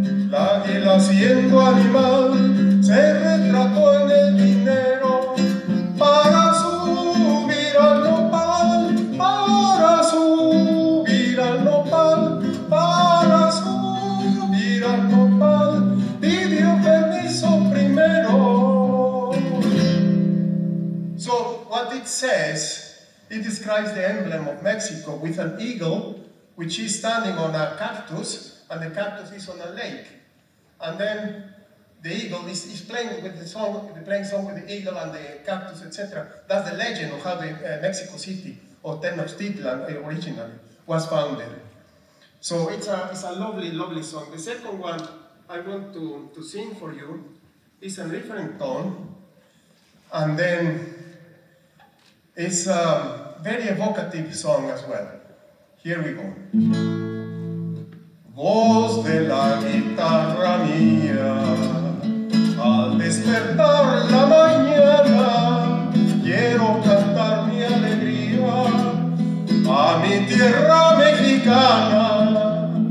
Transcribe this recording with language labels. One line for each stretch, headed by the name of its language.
Spanish: La águila siendo animal, se retrató en el dinero. Para subir al nopal, para subir al nopal, para subir al nopal, pidió permiso primero.
English: So, what it says, it describes the emblem of Mexico with an eagle, which is standing on a cactus, and the cactus is on a lake. And then the eagle is playing with the song, playing song with the eagle and the cactus, etc. That's the legend of how the Mexico City or Tenochtitlan originally was founded. So it's a lovely, lovely song. The second one I want to sing for you is a different tone, and then it's a very evocative song as well. Here we go.
Spanish: Voz de la guitarra mía, al despertar la mañana, quiero cantar mi alegría a mi tierra mexicana.